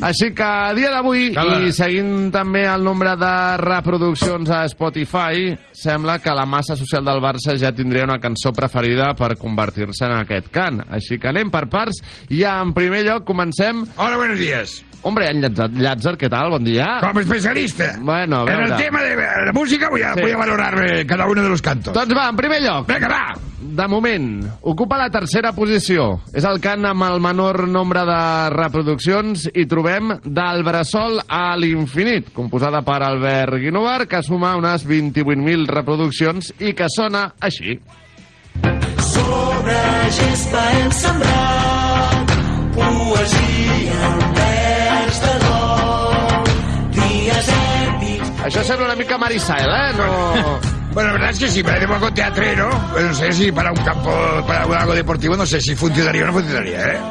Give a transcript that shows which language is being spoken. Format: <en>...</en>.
<ca>Així que a dia d'avui, i seguint també el nombre de reproduccions a Spotify, sembla que la massa social del Barça ja tindria una cançó preferida per convertir-se en aquest cant. Així que anem per parts, i en primer lloc comencem...</ca> <es>Hola, buenos días.</es> <ca>Hombre, en Llàtzer, què tal? Bon dia. Com a especialista. Bueno, a veure.</ca> <es>En el tema de la música voy a, sí, voy a valorar cada uno de los cantos.</es> <ca>Doncs va, en primer lloc.</ca> <es>Venga, va.</es> <ca>De moment, ocupa la tercera posició. És el cant amb el menor nombre de reproduccions i trobem Del Bressol a l'Infinit, composada per Albert Guinovar, que suma unes 28.000 reproduccions i que sona així. Sobre gespa hem sembrat poesia. Això sembla una mica Marisael, eh? No...</ca> <es>Bueno, la verdad es que si parece un poco teatrero, no sé si para un campo, para algo deportivo, no sé si funcionaría o no funcionaría, ¿eh?</es>